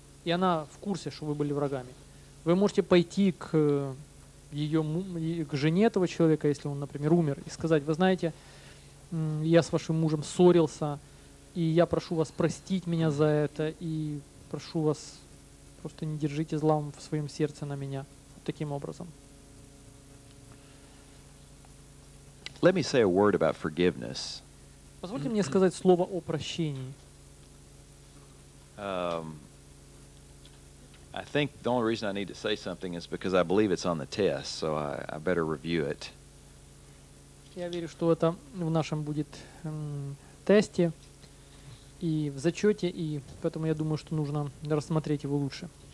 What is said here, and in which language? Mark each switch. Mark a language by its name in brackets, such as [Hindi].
[Russian] И она в курсе, что вы были врагами. Вы можете пойти к жене этого человека, если он, например, умер, и сказать, вы знаете, я с вашим мужем ссорился, и я прошу вас простить меня за это, и прошу вас, просто не держите зла в своем сердце на меня таким образом. [English] Let me say a word about forgiveness. [Russian] Позвольте мне сказать слово о прощении. [English] I think the only reason I need to say something is because I believe it's on the test, so I better review it. [Russian] Я верю, что это в нашем будет тесте и в зачете, и поэтому я думаю, что нужно рассмотреть его лучше.